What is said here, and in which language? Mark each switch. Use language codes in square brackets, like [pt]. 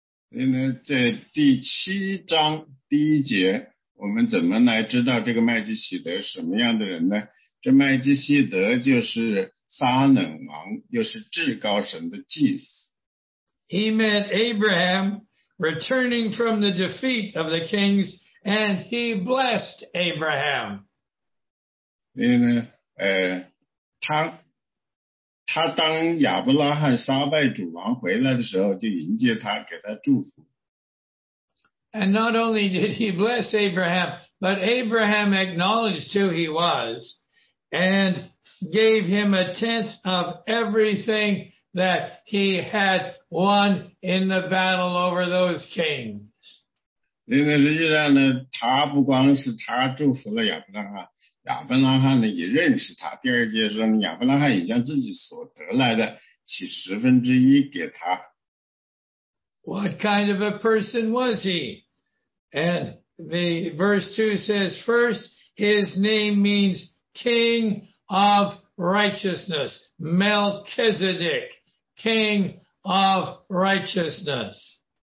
[zh] 所以呢，在第七章第一节，我们怎么来知道这个麦基洗德什么样的人呢？这麦基洗德就是撒冷王，又是至高神的祭司。 [en] He met Abraham returning from the defeat of the kings. And he blessed Abraham. [zh] 所以呢，他当亚伯拉罕杀败主王回来的时候，就迎接他，给他祝福。 [en] And not only did he bless Abraham, but Abraham acknowledged who he was, and gave him a tenth of everything that he had won in the battle over those kings. [zh] 因为实际上呢，他不光是他祝福了亚伯拉罕，亚伯拉罕呢也认识他。第二节说，亚伯拉罕已将自己所得来的起十分之一给他。 [en] What kind of a person was he? And the verse 2 says, first, his name means King of Righteousness, Melchizedek, King of Righteousness.